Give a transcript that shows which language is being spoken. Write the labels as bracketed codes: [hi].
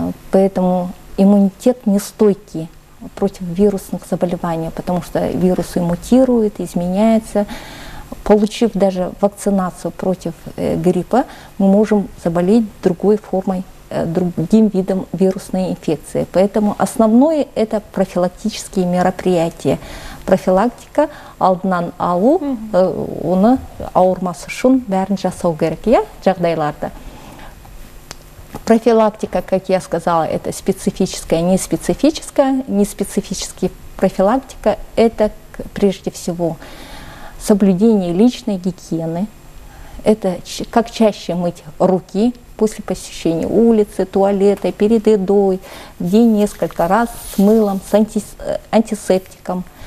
[ru] Поэтому иммунитет нестойкий против вирусных заболеваний, потому что вирусы мутируют, изменяются. Получив даже вакцинацию против гриппа, мы можем заболеть другой формой, другим видом вирусной инфекции. Поэтому основное – это профилактические мероприятия. [kk] Профилактика алдынан алу, оны ауырмасы үшін бәрін жасау керек, я жағдайларды. [ru] Профилактика, как я сказала, это специфическая, неспецифическая. Неспецифическая профилактика – это, прежде всего, соблюдение личной гигиены. Это как чаще мыть руки после посещения улицы, туалета, перед едой, в день несколько раз с мылом, с антисептиком.